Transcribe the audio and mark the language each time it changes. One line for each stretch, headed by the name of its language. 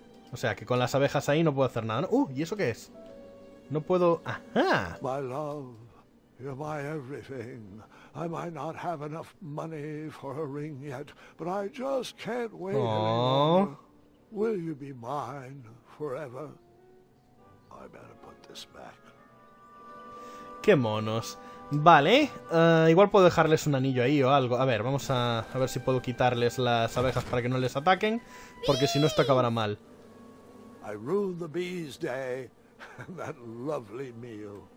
Spanish: O sea, que con las abejas ahí no puedo hacer nada. ¿Y eso qué es? No puedo... ¡Ajá!
English: My love, You're my everything. I might not have enough money for a ring yet, but I just can't wait anymore. Will you be mine forever? I better put this back.
Spanish: Qué monos. Vale, igual puedo dejarles un anillo ahí o algo. A ver, vamos a ver si puedo quitarles las abejas para que no les ataquen, porque si no esto acabará mal.
English: I ruined the bee's day, that lovely meal.